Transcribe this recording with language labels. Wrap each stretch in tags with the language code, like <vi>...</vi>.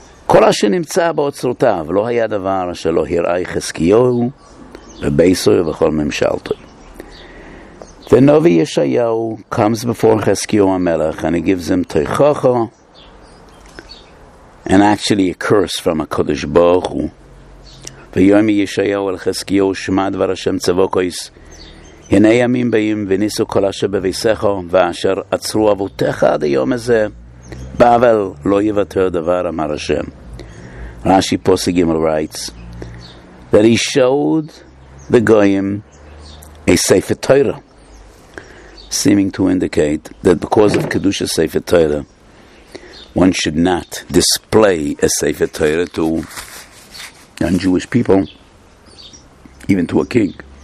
<he>כל אשר נמצא באוצרותיו, לא היה דבר אשר לא הראה יחזקיהו ובייסו ובכל ממשלתו. ונובי ישעיהו</he> <en>comes before חזקיהו המלך, and he gives him תוכחו, and actually a curse from הקדוש ברוך הוא.</en> <he>ויומי ישעיהו אל חזקיהו שמע דבר השם צבוקויס, הנה ימים באים וניסו כל אשר בביסכו, ואשר עצרו אבותיך עד היום הזה, Bavel lo yivater davar amar Hashem.</he> <en>Rashi Posse Gimel writes that he showed the Goyim a Sefer Torah, seeming to indicate that because of Kedusha Sefer Torah, one should not display a Sefer Torah to non-Jewish people, even to a king.</en>